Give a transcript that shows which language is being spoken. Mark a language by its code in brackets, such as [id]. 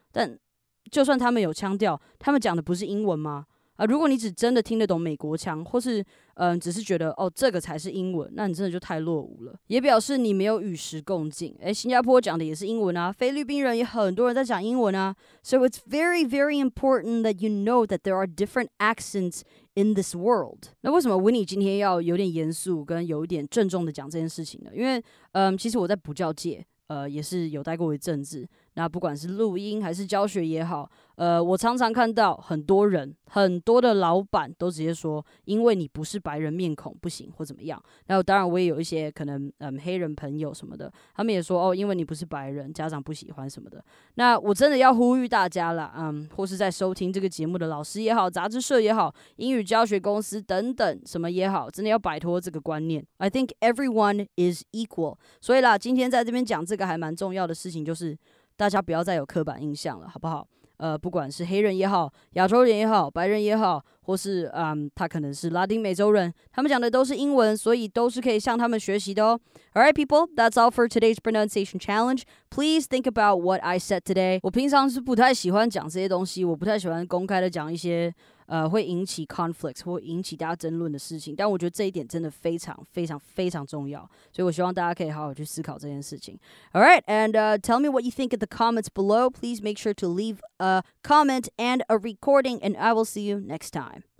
[zh] 但就算他们有腔调，他们讲的不是英文吗？如果你只真的听得懂美国腔，或是只是觉得这个才是英文，那你真的就太落伍了，也表示你没有与时共进。新加坡讲的也是英文啊，菲律宾人也很多人在讲英文啊。 [en] So it's very very important that you know that there are different accents in this world. [zh] 那为什么 Winnie 今天要有点严肃跟有点郑重的讲这件事情呢？因为其实我在补教界也是有待过一阵子，那不管是录音还是教学也好，我常常看到很多人，很多的老板都直接说，因为你不是白人面孔不行或怎么样。那当然我也有一些可能黑人朋友什么的，他们也说因为你不是白人家长不喜欢什么的。那我真的要呼吁大家啦，或是在收听这个节目的老师也好，杂志社也好，英语教学公司等等什么也好，真的要摆脱这个观念。 [en] I think everyone is equal。 [zh] 所以啦，今天在这边讲这个还蛮重要的事情，就是大家不要再有刻板印象了，好不好？不管是黑人也好，亚洲人也好，白人也好，或是他可能是拉丁美洲人，他们讲的都是英文，所以都是可以向他们学习的哦。 [en] Alright people, that's all for today's pronunciation challenge. Please think about what I said today. [zh] 我平常是不太喜欢讲这些东西，我不太喜欢公开的讲一些会引起 conflict 或引起大家争论的事情，但我觉得这一点真的非常非常非常重要，所以我希望大家可以好好去思考这件事情。 [en] Alright, and tell me what you think in the comments below. Please make sure to leave a comment and a recording, and I will see you next time.